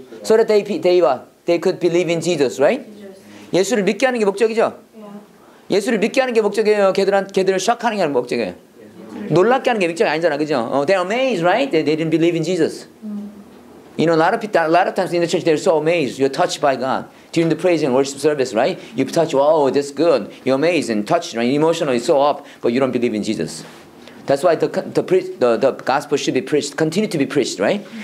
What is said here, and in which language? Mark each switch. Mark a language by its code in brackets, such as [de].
[en] So that they could believe in Jesus, right? [ko] 예수를 믿게 하는 게 목적이죠? 예수를 믿게 하는 게 목적이에요. 걔들을 shock하는 게 목적이에요. 놀랍게 하는 게 목적이 아니잖아, 그죠? [en] They're amazed, right? They didn't believe in Jesus. You know, a lot of times in the church, they're so amazed. You're touched by God during the praise and worship service, right? You're touched, oh, that's good. You're amazed and touched, right? Emotionally, so up, but you don't believe in Jesus. That's why the gospel should be preached, continue to be preached, right?